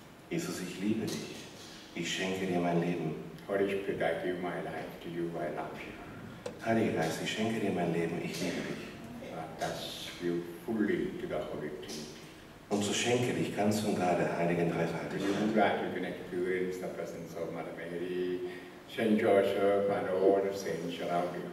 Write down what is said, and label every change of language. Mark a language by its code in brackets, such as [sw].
[de] Jesus, ich liebe dich, ich schenke dir mein Leben. [en] Holy Spirit, I give my life to you, I love you. [de] Heiliger Geist, ich schenke dir mein Leben, ich liebe dich. Und so schenke dich ganz und gar der Heiligen Dreifaltigkeit.